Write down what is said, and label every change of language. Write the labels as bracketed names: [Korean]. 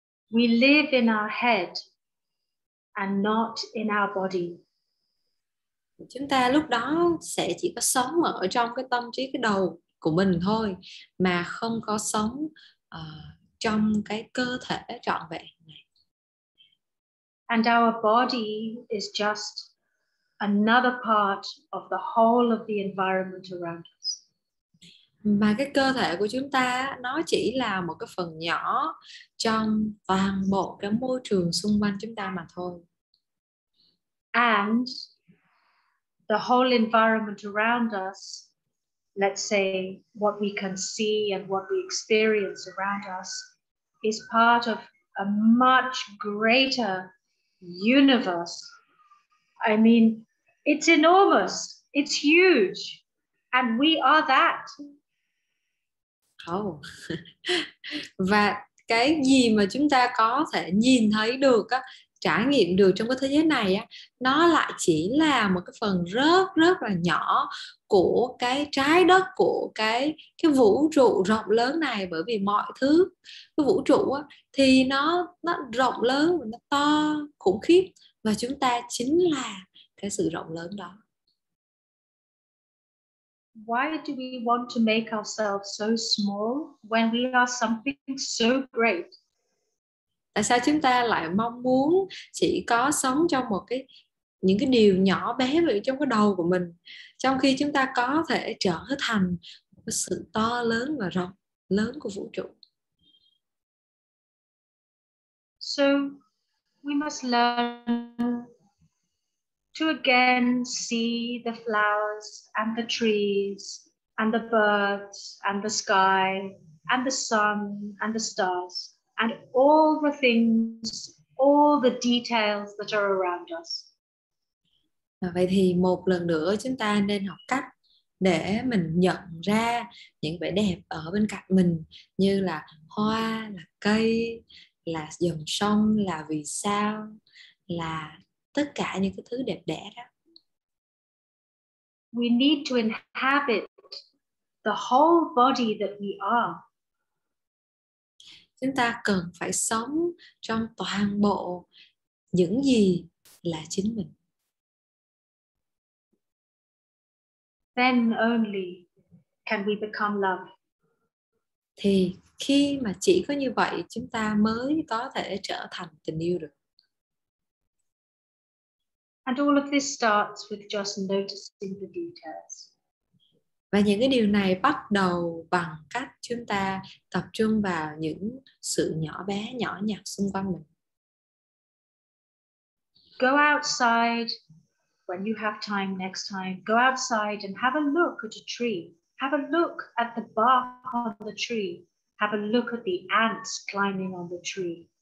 [English] We live in our head and not in our body. [Vietnamese] Chúng ta lúc đó sẽ chỉ có sống ở trong cái tâm trí, cái đầu của mình thôi, mà không có sống trong cái cơ thể trọn vẹn này. [English] And our body is just another part of the whole of the environment around us. [Vietnamese] Mà cái cơ thể của chúng ta nó chỉ là một cái phần nhỏ trong toàn bộ cái môi trường xung quanh chúng ta mà thôi. [English] And the whole environment around us, let's say what we can see and what we experience around us, is part of a much greater universe. I mean, it's enormous, it's huge, and we are that. Oh. [Vietnamese] Và cái gì mà chúng ta có thể nhìn thấy được á, trải nghiệm được trong cái thế giới này á, nó lại chỉ là một cái phần rất rất là nhỏ của cái trái đất, của cái vũ trụ rộng lớn này. Bởi vì mọi thứ, cái vũ trụ á, thì nó rộng lớn, nó to khủng khiếp, và chúng ta chính là cái sự rộng lớn đó. [English] Why do we want to make ourselves so small when we are something so great? [Vietnamese] Tại sao chúng ta lại mong muốn chỉ có sống trong một cái những cái điều nhỏ bé ở trong cái đầu của mình, trong khi chúng ta có thể trở thành một cái sự to lớn và rộng lớn của vũ trụ? [English] So we must learn to again see the flowers and the trees and the birds and the sky and the sun and the stars and all the things, all the details that are around us. [Vietnamese] Vậy thì một lần nữa chúng ta nên học cách để mình nhận ra những vẻ đẹp ở bên cạnh mình, như là hoa, là cây, là dòng sông, là vì sao, là tất cả những cái thứ đẹp đẽ đó. [English] We need to inhabit the whole body that we are. [Vietnamese] Chúng ta cần phải sống trong toàn bộ những gì là chính mình. [English] Then only can we become love. [Vietnamese] Thì khi mà chỉ có như vậy, chúng ta mới có thể trở thành tình yêu được. [English] And all of this starts with just noticing the details. [Vietnamese] Và những cái điều này bắt đầu bằng cách chúng ta tập trung vào những sự nhỏ bé, nhỏ nhặt xung quanh mình. [English] Go outside when you have time next time. Go outside and have a look at a tree. Have a look at the bark on the tree. Have a look at the ants climbing on the tree.